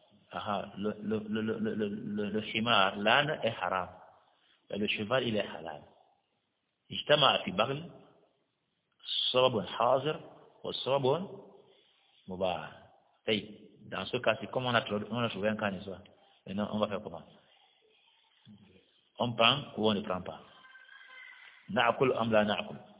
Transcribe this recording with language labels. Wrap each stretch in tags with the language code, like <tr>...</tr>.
<fr>Aha, le himar, l'âne est haram. Et le cheval, il est halal.</fr> <ar>اجتمع في بغل سبب حاضر وسبب مباح. طيب</ar> <fr>dans ce cas-ci, comment on a trouvé un cas, n'est-ce pas? Maintenant, on va faire comment? On prend ou on ne prend pas?</fr> <ar>نأكل أم لا نأكل؟</ar>